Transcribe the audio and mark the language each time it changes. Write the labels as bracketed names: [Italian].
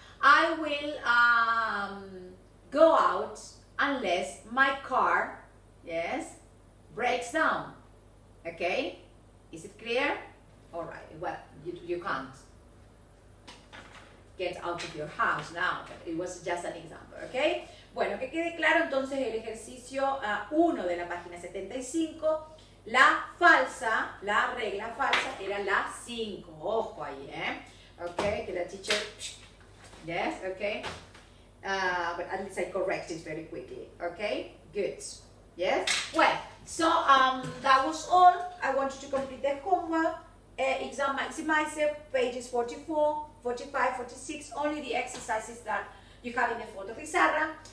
[English] I will go out unless my car, yes, breaks down. Okay? Is it clear? All right, well, you can't get out of your house now, but it was just an example, okay? [Spanish] Bueno, que quede claro entonces el ejercicio 1 de la página 75, la falsa, la regla falsa era la 5, ojo ahí, Okay, que la teacher, yes, okay? [English] But at least I corrected very quickly, okay? Good, yes? Well, so that was all. I want you to complete the homework. Exam maximizer, pages 44, 45, 46, only the exercises that you have in the photo pizarra.